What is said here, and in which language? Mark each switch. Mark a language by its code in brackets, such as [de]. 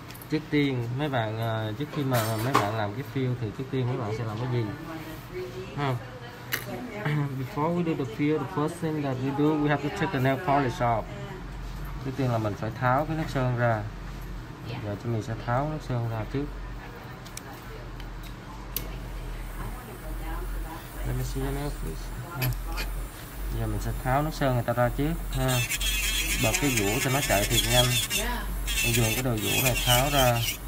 [vi] Trước tiên mấy bạn, trước khi mà mấy bạn làm cái peel thì trước tiên mấy bạn sẽ làm cái gì? [en] Before we do the peel, the first thing that we do, we have to take the nail polish off. [vi] Trước tiên là mình phải tháo cái lớp sơn ra. Giờ chúng mình sẽ tháo lớp sơn ra trước. [en] Let me see the nail please. [vi] Giờ mình sẽ tháo nước sơn người ta ra trước ha. Bật cái dũa cho nó chạy thiệt nhanh. Mình dùng cái đầu dũa này tháo ra.